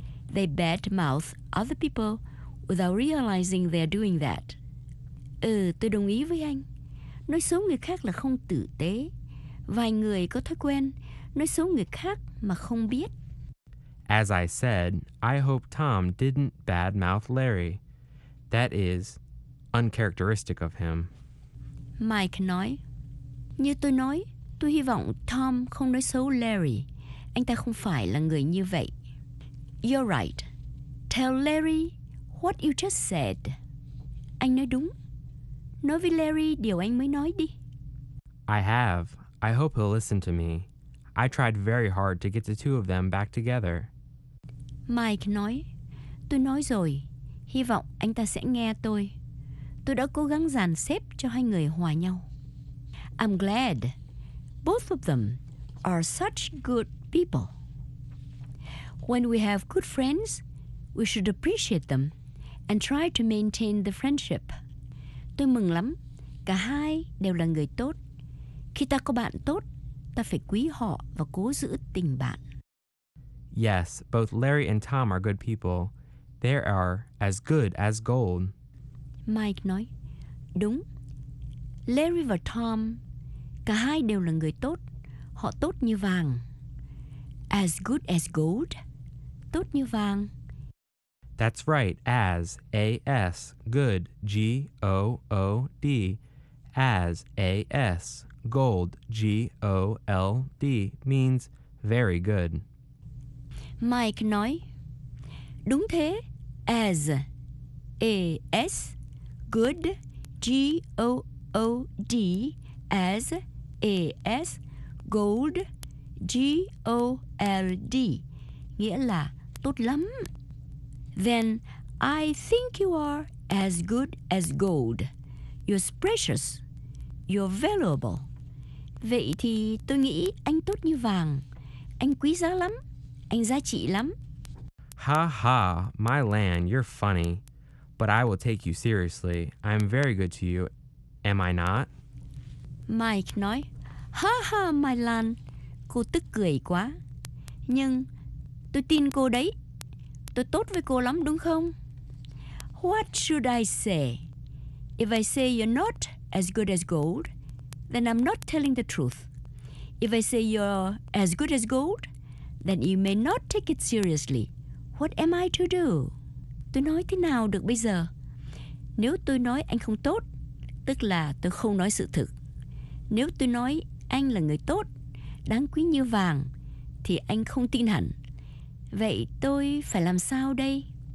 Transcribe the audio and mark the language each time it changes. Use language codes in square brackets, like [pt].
[en] They badmouth other people without realizing they're doing that. [vi] Tôi đồng ý với anh. Nói xấu người khác là không tử tế. Vài người có thói quen nói xấu người khác mà không biết. [en] As I said, I hope Tom didn't badmouth Larry. That is uncharacteristic of him. [vi] Mike nói, như tôi nói, tôi hy vọng Tom không nói xấu Larry. Anh ta không phải là người như vậy. [en] You're right. Tell Larry what you just said. [vi] Anh nói đúng. Nói với Larry điều anh mới nói đi. [en] I have. I hope he'll listen to me. I tried very hard to get the two of them back together. [vi] Mike nói, tôi nói rồi. Hy vọng anh ta sẽ nghe tôi. Tôi đã cố gắng dàn xếp cho hai người hòa nhau. [en] I'm glad. Both of them are such good people. When we have good friends, we should appreciate them and try to maintain the friendship. [vi] Tôi mừng lắm, cả hai đều là người tốt. Khi ta có bạn tốt, ta phải quý họ và cố giữ tình bạn. [en] Yes, both Larry and Tom are good people. They are as good as gold. [vi] Mike nói, đúng. Larry và Tom, cả hai đều là người tốt. Họ tốt như vàng. [en] As good as gold. [vi] Tốt như vàng. [en] That's right. As, A-S, good, G-O-O-D. As, A-S, gold, G-O-L-D, means very good. [vi] Mike nói, đúng thế, [en] as, A-S, good, G-O-O-D, as, A-S, gold, G-O-L-D, [vi] nghĩa là tốt lắm. [en] Then, I think you are as good as gold. You're precious. You're valuable. [vi] Vậy thì tôi nghĩ anh tốt như vàng. Anh quý giá lắm. Anh giá trị lắm. [en] Ha ha, my Lan, you're funny. But I will take you seriously. I'm very good to you, am I not? [vi] Mike nói, ha ha, my Lan. Cô tức cười quá. Nhưng tôi tin cô đấy. Tôi tốt với cô lắm, đúng không? [en] What should I say? If I say you're not as good as gold, then I'm not telling the truth. If I say you're as good as gold, then you may not take it seriously. What am I to do? [vi] Tôi nói thế nào được bây giờ? Nếu tôi nói anh không tốt, tức là tôi không nói sự thực. Nếu tôi nói anh là người tốt, đáng quý như vàng, thì anh không tin hẳn. Vậy tôi phải làm sao đây?